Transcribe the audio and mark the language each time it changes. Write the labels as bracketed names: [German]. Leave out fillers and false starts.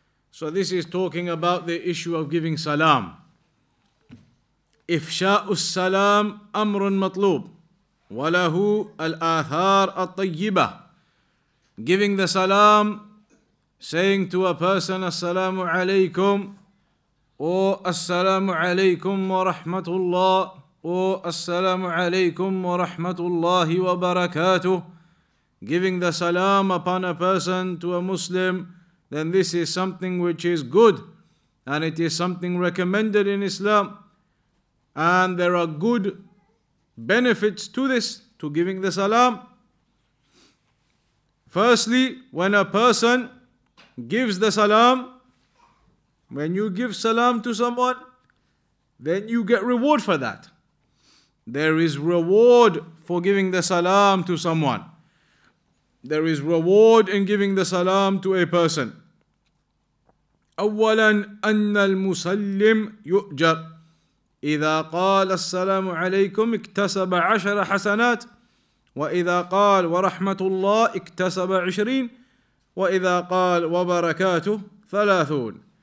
[English] So this is talking about the issue of giving salam. [Arabic] إِفْشَاءُ السَّلَامُ أَمْرٌ مَطْلُوبٌ وَلَهُ الْآثَارُ الطَّيِّبَةُ. [English] Giving the salam, saying to a person, السلام عليكم, or [Arabic] السلام عليكم ورحمة الله, [English] or [Arabic] السلام عليكم ورحمة الله وبركاته. [English] Giving the salam upon a person, to a Muslim, then this is something which is good, and it is something recommended in Islam. And there are good benefits to this, to giving the salam. Firstly, when a person gives the salam, when you give salam to someone, then you get reward for that. There is reward for giving the salam to someone. There is reward in giving the salam to a person. [Arabic] أولا أن المسلم يؤجر إذا قال السلام عليكم اكتسب 10 حسنات وإذا قال ورحمة الله اكتسب 20 وإذا قال وبركاته 30.